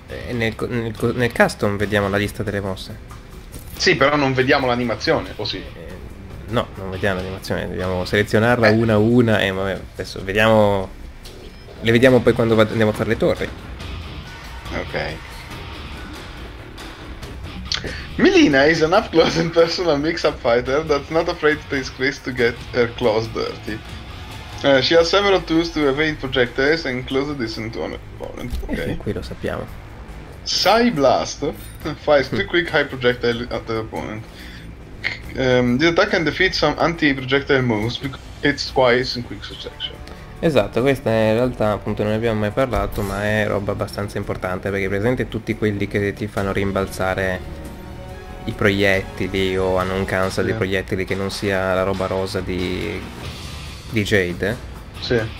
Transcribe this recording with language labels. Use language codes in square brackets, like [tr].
[it] Nel custom vediamo la lista delle mosse. Sì, però non vediamo l'animazione, o sì? No, non vediamo l'animazione, dobbiamo selezionarla una a una e vabbè, adesso vediamo. Le vediamo poi quando andiamo a fare le torri. Ok. [en] Milena is an up-close and personal mix-up fighter that's not afraid to use Chris to get her claws dirty. She has several tools to evade projectiles and close a distance to an opponent. [it] E fin Ok. qui lo sappiamo. [en] Psy Blast fires two quick high projectiles at the opponent. The attack can defeat some anti-projectile moves because it's twice in quick succession. [it] Esatto, questa in realtà appunto non ne abbiamo mai parlato, ma è roba abbastanza importante perché presente tutti quelli che ti fanno rimbalzare i proiettili o hanno un cancel di Sì. proiettili che non sia la roba rosa di Jade. Sì.